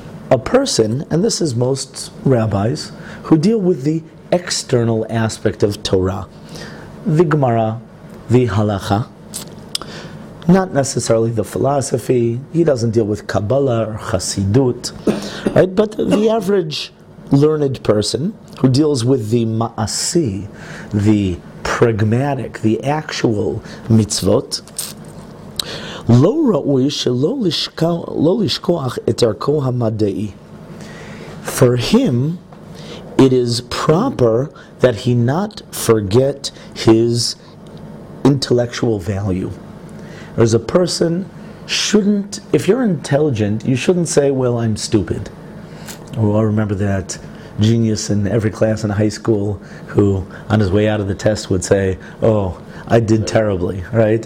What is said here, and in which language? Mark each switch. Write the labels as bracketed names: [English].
[English] A person, and this is most rabbis, who deal with the external aspect of Torah, the Gemara, the Halacha, not necessarily the philosophy, he doesn't deal with Kabbalah or Chassidut, right? But the average learned person who deals with the ma'asi, the pragmatic, the actual mitzvot, [Hebrew] לא ראוי שלא לשכוח את ערכו המדעי. [English] For him, it is proper that he not forget his intellectual value. As a person shouldn't, if you're intelligent, you shouldn't say, well, I'm stupid. We all remember that genius in every class in high school who, on his way out of the test, would say, oh, I did terribly, right?